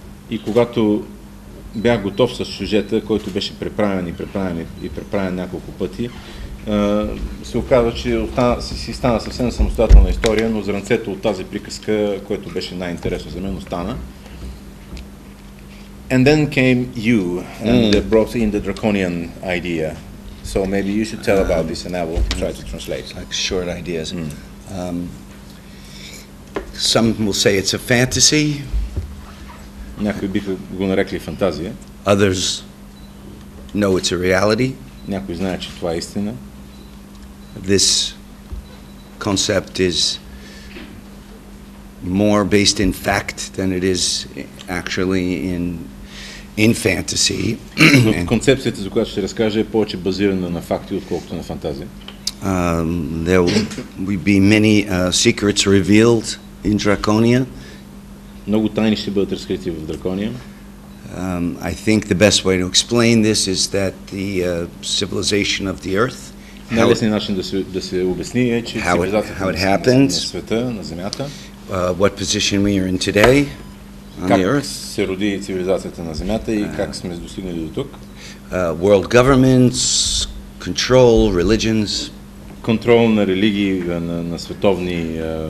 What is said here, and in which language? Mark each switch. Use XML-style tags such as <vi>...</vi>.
<bg>и когато бях готов с сюжета, който беше преправен няколко пъти, се оказва, че си стана съвсем самостоятелна история, но зранцето от тази приказка, което беше най-интересно за мен, остана.</bg> <en>And then came you and brought in the draconian idea. So maybe you should tell about this and I will try to translate. Like short ideas. Mm. Some will say it's a fantasy.</en> <bg>Някои биха го нарекли фантазия.</bg> <en>Others know it's a reality.</en> <bg>Някои знаят, че това е истина.</bg> <en>This concept is more based in fact than it is actually in fantasy.</en> <bg>Концепцията, за която ще разкажа, е повече базирана на факти, отколкото на фантазия.</bg> <en>There will be many secrets revealed in Draconia.</en> <bg>Много тайни ще бъдат разкрити в Draconia.</bg> <en>I think the best way to explain this is that the civilization of the earth,</en> <bg>най-лесният начин да се обясни е, че цивилизацията на света, на Земята,</bg> <en>what position we are in today on the earth,</en> <bg>как се роди цивилизацията на Земята и как сме достигнали до тук,</bg> <en>world governments, control, religions,</en> <bg>контрол на религии, на световни</bg>